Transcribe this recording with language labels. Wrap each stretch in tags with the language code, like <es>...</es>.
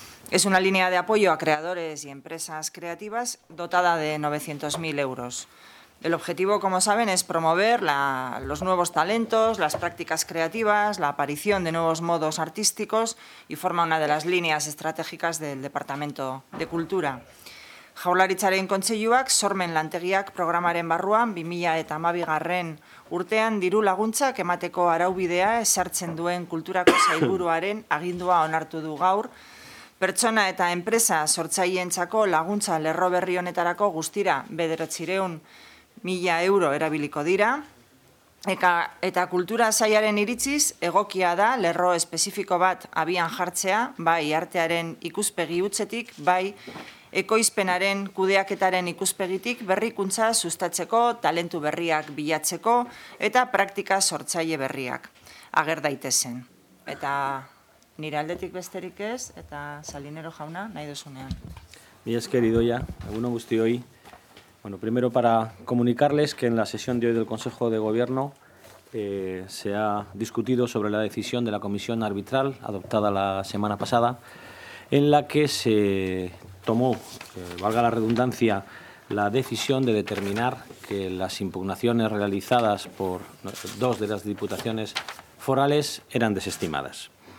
<es>Es una línea de apoyo a creadores y empresas creativas dotada de 900.000 euros. El objetivo, como saben, es promover los nuevos talentos, las prácticas creativas, la aparición de nuevos modos artísticos y forma una de las líneas estratégicas del Departamento de Cultura.</es> <eu>Jaurlaritzaren kontseiluak sormen lantegiak programaren barruan 2012 urtean diru laguntzak emateko araubidea ezartzen duen kulturako sailburuaren agindua onartu du gaur. Pertsona eta enpresa sortzaileentzako laguntza lerro berri honetarako guztira 900.000 euro erabiliko dira. Eta kultura sailaren iritziz egokia da lerro espezifiko bat abian jartzea, bai artearen ikuspegi utzetik, bai ekoizpenaren kudeaketaren ikuspegitik berrikuntza sustatzeko, talentu berriak bilatzeko eta praktika sortzaile berriak ager daitezen. Eta nire aldetik besterik ez, eta Salinero jauna, nahi duzunean. Mila esker, Idoia, egun on guztioi.</eu> <es>Bueno, primero para comunicarles que en la sesión de hoy del Consejo de Gobierno se ha discutido sobre la decisión de la Comisión Arbitral adoptada la semana pasada, en la que se tomó, valga la redundancia, la decisión de determinar que las impugnaciones realizadas por dos de las diputaciones forales eran desestimadas.</es>